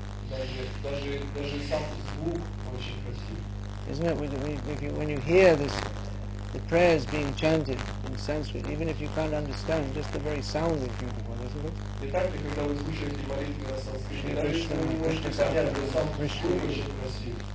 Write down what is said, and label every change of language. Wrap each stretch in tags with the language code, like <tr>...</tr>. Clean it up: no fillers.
<ru>Даже сам звук очень красив.</ru> <en>Isn't it, when you hear this, the prayers being chanted in Sanskrit, even if you can't understand, just the very sound is beautiful, isn't it?</en> <ru>Итак, когда вы слушаете молитвы на санскрите, даже если вы не можете понять, то сам звук очень красив.</ru>